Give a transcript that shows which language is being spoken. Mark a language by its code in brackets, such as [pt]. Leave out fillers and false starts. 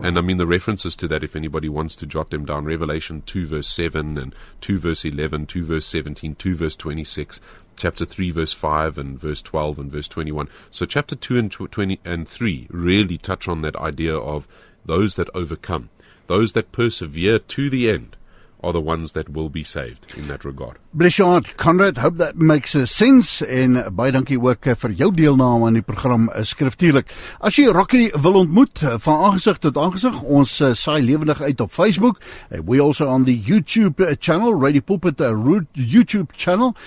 [en] And I mean, the references to that, if anybody wants to jot them down, Revelation 2 verse 7 and 2 verse 11, 2 verse 17, 2 verse 26, chapter 3 verse 5 and verse 12 and verse 21. So chapter 2 and 20 and 3 really touch on that idea of those that overcome, those that persevere to the end, are the ones that will be saved in that regard. Bless your heart, Conrad. Hope that makes sense. [af] En baie dankie ook vir jou deelname aan die program skriftuurlik. As jy Rocky wil ontmoet, van aangezicht tot aangezicht, ons saai levendig uit op Facebook. [en] We also on the YouTube channel, Radio Pulpit YouTube channel.